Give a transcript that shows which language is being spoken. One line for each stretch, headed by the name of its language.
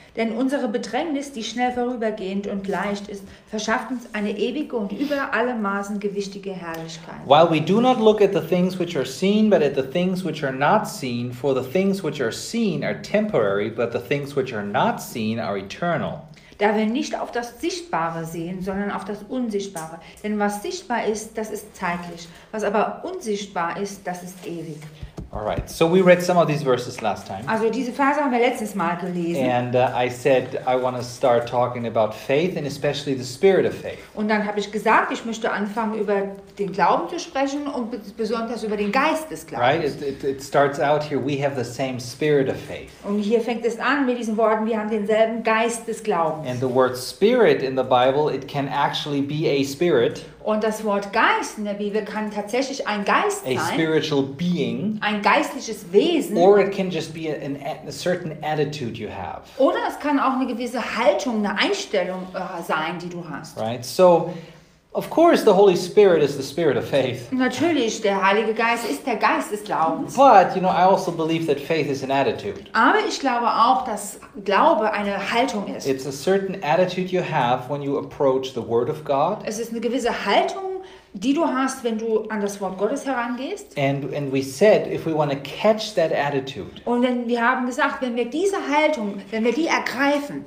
German: Denn unsere Bedrängnis, die schnell vorübergehend und leicht ist, verschafft uns eine ewige und über alle Maßen gewichtige Herrlichkeit.
English: While we do not look at the things which are seen, but at the things which are not seen, for the things which are seen are temporary, but the things which are not seen are eternal.
German: Da wir nicht auf das Sichtbare sehen, sondern auf das Unsichtbare. Denn was sichtbar ist, das ist zeitlich. Was aber unsichtbar ist, das ist ewig.
English: All right. So we read some of these verses last time.
German: Also diese Verse haben wir letztes Mal gelesen.
English: And I said I want to start talking about faith and especially the spirit of faith.
German: Und dann habe ich gesagt, ich möchte anfangen über den Glauben zu sprechen und besonders über den Geist des Glaubens.
English: Right. It starts out here. We have the same spirit of faith.
German: Und hier fängt es an mit diesen Worten. Wir haben denselben Geist des Glaubens.
English: And the word spirit in the Bible, it can actually be a spirit.
German: Und das Wort Geist in der Bibel kann tatsächlich ein Geist sein.
English: A spiritual being.
German: Ein geistliches Wesen.
English: Or it can just be a certain attitude you have.
German: Oder es kann auch eine gewisse Haltung, eine Einstellung sein, die du hast.
English: Right. So, of course, the Holy Spirit is the spirit of faith.
German: Natürlich, der Heilige Geist ist der Geist des Glaubens.
English: But, you know, I also believe that faith is an attitude.
German: Aber ich glaube auch, dass Glaube eine Haltung ist.
English: It's a certain attitude you have when you approach the Word of God.
German: Es ist eine gewisse Haltung, die du hast, wenn du an das Wort Gottes herangehst.
English: And we said, if we want to catch that attitude.
German: Und wenn wir haben gesagt, wenn wir diese Haltung, wenn wir die ergreifen.